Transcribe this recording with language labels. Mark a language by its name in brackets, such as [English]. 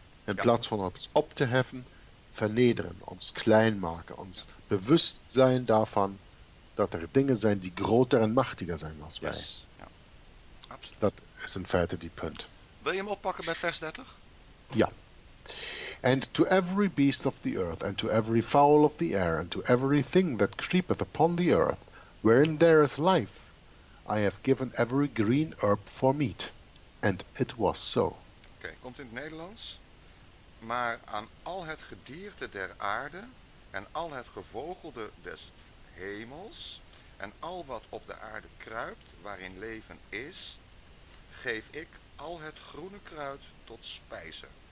[Dutch] In ja plaats van ons op te heffen, vernederen, ons klein maken, ons ja bewust zijn daarvan dat er dingen zijn die groter en machtiger zijn dan [English] yes [Dutch] wij. Ja. Absoluut. Dat is in feite die punt. Wil je hem oppakken bij vers 30? Ja. [English] And to every beast of the earth, and to every fowl of the air, and to every thing that creepeth upon the earth, wherein there is life, I have given every green herb for meat. And it was so. [Dutch] Oké, komt in het Nederlands. Maar aan al het gedierte der aarde, en al het gevogelde des hemels, en al wat op de aarde kruipt, waarin leven is, geef ik al het groene kruid tot spijzen.